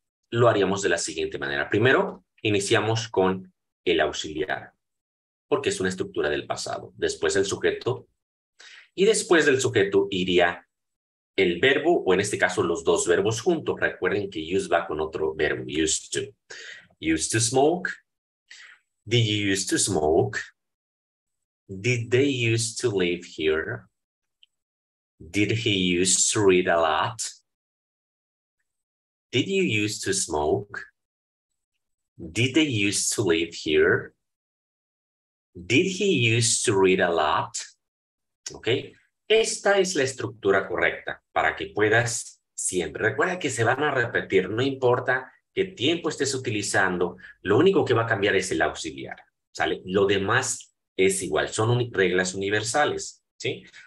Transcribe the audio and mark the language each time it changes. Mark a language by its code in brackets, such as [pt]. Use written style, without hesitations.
[es] Lo haríamos de la siguiente manera. Primero, iniciamos con el auxiliar, porque es una estructura del pasado. Después el sujeto. Y después del sujeto iría el verbo, o en este caso los dos verbos juntos. Recuerden que use va con otro verbo, used to. [en] Used to smoke. Did you used to smoke? Did they used to live here? Did he used to read a lot? Did you used to smoke? Did they used to live here? Did he used to read a lot? ¿Ok? [es] Esta es la estructura correcta para que puedas siempre. Recuerda que se van a repetir, no importa qué tiempo estés utilizando, lo único que va a cambiar es el auxiliar, ¿sale? Lo demás es igual, son reglas universales, ¿sí?